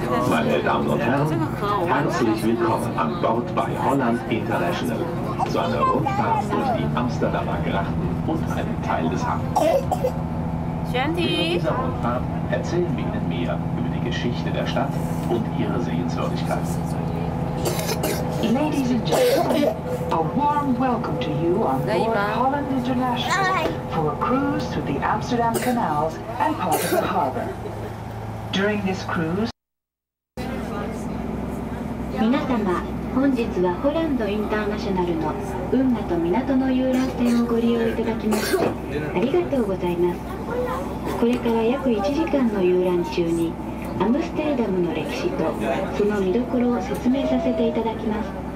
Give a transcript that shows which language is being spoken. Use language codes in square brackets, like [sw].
[de] Meine Damen und Herren, herzlich willkommen an Bord bei Holland International. Zu einer Rundfahrt durch die Amsterdamer Grachten und einen Teil des Hafens. In dieser Rundfahrt erzählen wir Ihnen mehr über die Geschichte der Stadt und ihre Sehenswürdigkeiten. [en] Ladies and gentlemen, a warm welcome to you on board Holland International for a cruise through the Amsterdam canals and part of the harbor. During this cruise, [ja] 皆様、本日はホランドインターナショナルの運河と港の遊覧船をご利用いただきまして、ありがとうございます。これから約1時間の遊覧中に、アムステルダムの歴史とその見どころを説明させていただきます。